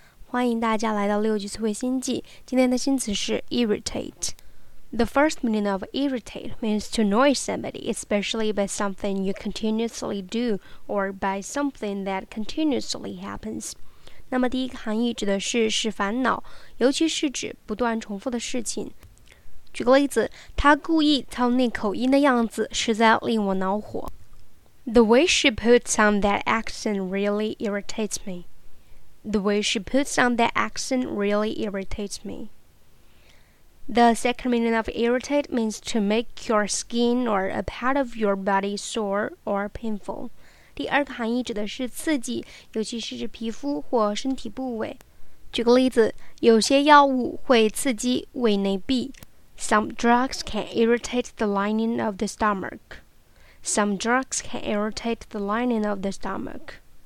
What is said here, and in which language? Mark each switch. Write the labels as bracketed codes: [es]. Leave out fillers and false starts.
[zh] 欢迎大家来到六句词汇星际。今天的新词是 irritate. [en] The first meaning of irritate means to annoy somebody, especially by something you continuously do or by something that continuously happens. [zh] 那么第一个含义指的是使烦恼，尤其是指不断重复的事情。举个例子，他故意操那口音的样子实在令我恼火。 [en] The way she puts on that accent really irritates me. The way she puts on that accent really irritates me. The second meaning of irritate means to make your skin or a part of your body sore or painful. [zh] 第二个含义指的是刺激，尤其是指皮肤或身体部位。举个例子，有些药物会刺激胃内壁。 [en] Some drugs can irritate the lining of the stomach. Some drugs can irritate the lining of the stomach.